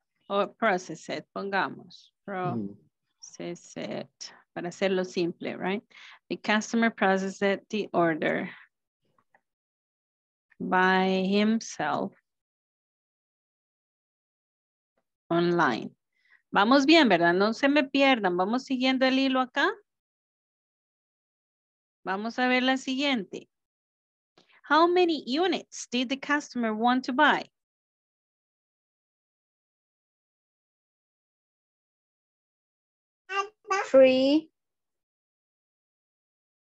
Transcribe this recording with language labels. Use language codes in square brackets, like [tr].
[en] O process it, [es] pongamos, [en] process it, [es] para hacerlo simple, [en] right? The customer processed the order by himself online. [es] Vamos bien, ¿verdad? No se me pierdan, vamos siguiendo el hilo acá. Vamos a ver la siguiente. [en] How many units did the customer want to buy? Three.